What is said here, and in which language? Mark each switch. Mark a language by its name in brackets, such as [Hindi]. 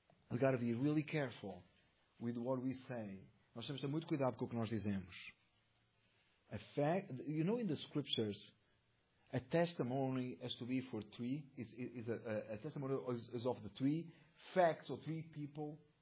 [English] We've got to be really careful with what we say. [Portuguese] Nós temos de ter muito cuidado com o que nós dizemos. [English] A fact, you know, in the scriptures, a testimony has to be for three. Is a testimony is of the three facts or three people.